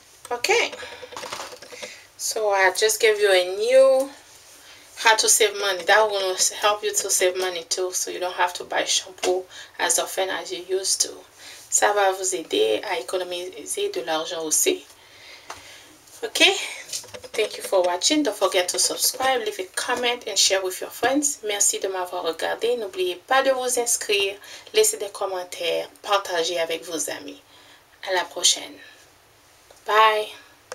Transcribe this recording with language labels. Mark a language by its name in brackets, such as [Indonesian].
[English] Okay, so I just gave you a new how to save money. That will help you to save money too, so you don't have to buy shampoo as often as you used to. [French] Ça va vous aider à économiser de l'argent aussi. [English] Okay, thank you for watching. Don't forget to subscribe, leave a comment and share with your friends. [French] Merci de m'avoir regardé. N'oubliez pas de vous inscrire, laisser des commentaires, partager avec vos amis. À la prochaine. Bye.